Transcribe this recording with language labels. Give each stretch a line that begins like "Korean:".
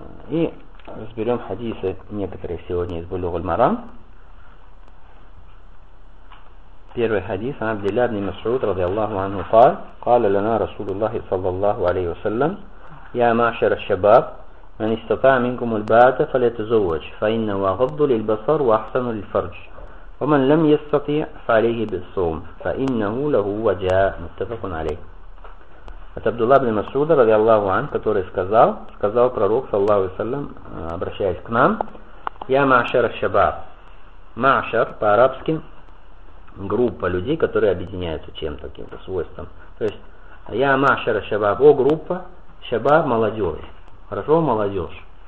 Russian: И разберем хадисы некоторые сегодня из Булугуль Марам. Первый хадис от Абдилля ибн Масуд радиаллаху анху
Arabic: قال قال لنا رسول الله صلى الله عليه وسلم يا معشر الشباب من استطاع منكم الباءة فليتزوج فإنه أغض للبصر وأحسن للفرج ومن لم يستطع فعليه بالصوم فإنه له وجاء. متفق عليه.
Russian: Это Абдулла ибн Масуд радиаллаху анху, который сказал пророк, саллаллаху алейхи ва саллям, обращаясь к нам: «Я маашар аш-шабаб». Маашар по-арабски группа людей, которые объединяются чем-то, каким-то свойством. То есть «Я маашар аш-шабаб» – о, группа, «шабаб» – молодежь. Хорошо, молодежь.